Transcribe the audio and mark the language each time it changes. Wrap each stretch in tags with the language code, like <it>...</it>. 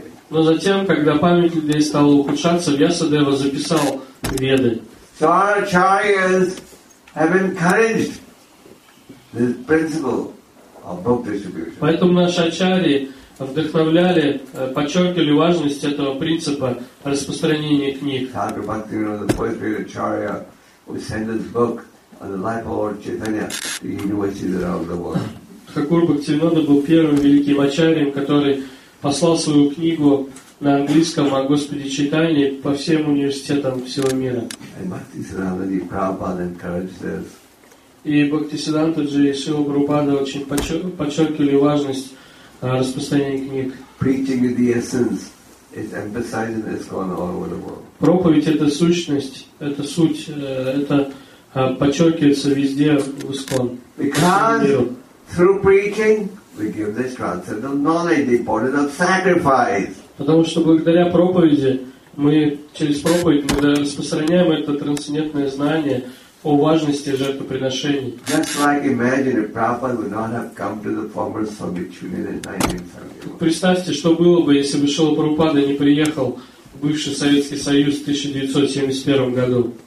<ru>Но затем, когда память людей стала ухудшаться, Вьясадева записал Веды.</ru> <en>So our acharyas have encouraged the principle of book distribution.</en> <ru>Поэтому наши ачарьи вдохновляли, подчеркивали важность этого принципа распространения книг.</ru> <en>Thakur Bhaktivinoda, the first great acharya, who sent his book on the life of Lord Chaitanya to universities around the world.</en> <ru>Thakur Bhaktivinoda был первым великим ачарьем, который послал свою книгу на английском о Господе Чайтанье по всем университетам всего мира.</ru> <en>And Bhaktisiddhanta Ji Prabhupada encouraged this.</en> <ru>И Бхактисиддханта Джи и Шрила Прабхупада очень подчеркивали важность распространения книг.</ru> <en>Preaching is the essence. It's emphasized in ISKCON all over the world.</en> <ru>Проповедь это сущность, это суть, это подчеркивается везде в ISKCON.</ru> <en>Because through preaching we give this transcendental knowledge, the importance of sacrifice.</en> <ru>Потому что благодаря проповеди мы через проповедь мы распространяем это трансцендентное знание о важности жертвоприношений.</ru> <en>Just like imagine if Prabhupada would not have come to the former Soviet Union in 1971.</en> <ru>Представьте, что было бы, если бы Шрила Прабхупада не приехал в бывший Советский Союз в 1971 году.</ru>